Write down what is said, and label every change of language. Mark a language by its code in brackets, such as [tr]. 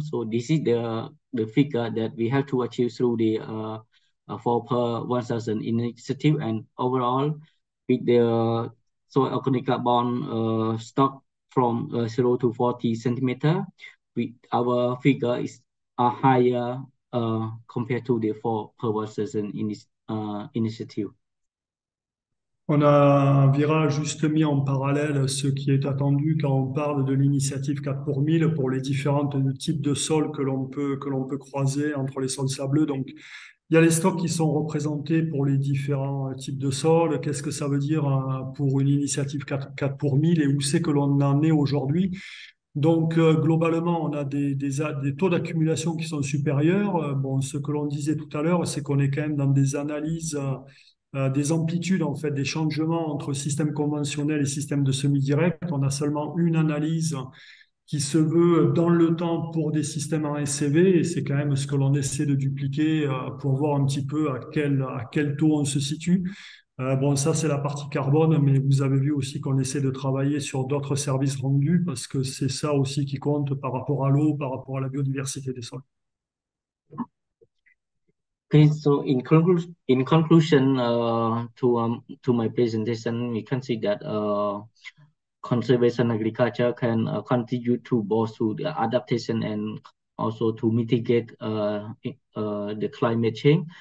[en] So this is the figure that we have to achieve through the 4 per 1,000 initiative, and overall with the soil organic carbon stock from 0 to 40 centimeter, our figure is higher compared to the 4 per 1,000 initiative. [fr] On a, Vira, juste mis en parallèle ce qui est attendu quand on parle de l'initiative 4 pour 1000 pour les différents types de sols que l'on peut croiser entre les sols sableux. Donc, il y a les stocks qui sont représentés pour les différents types de sols. Qu'est-ce que ça veut dire pour une initiative 4 pour 1000 et où c'est que l'on en est aujourd'hui? Donc, globalement, on a des taux d'accumulation qui sont supérieurs. Bon, ce que l'on disait tout à l'heure, c'est qu'on est quand même dans des analyses. Des amplitudes, en fait, des changements entre système conventionnel et système de semis direct. On a seulement une analyse qui se veut dans le temps pour des systèmes en SCV, et c'est quand même ce que l'on essaie de dupliquer pour voir un petit peu à quel taux on se situe. Bon, ça, c'est la partie carbone, mais vous avez vu aussi qu'on essaie de travailler sur d'autres services rendus parce que c'est ça aussi qui compte par rapport à l'eau, par rapport à la biodiversité des sols. [en] Okay, so in conclusion, to my presentation, we can see that conservation agriculture can contribute to both to the adaptation and also to mitigate the climate change.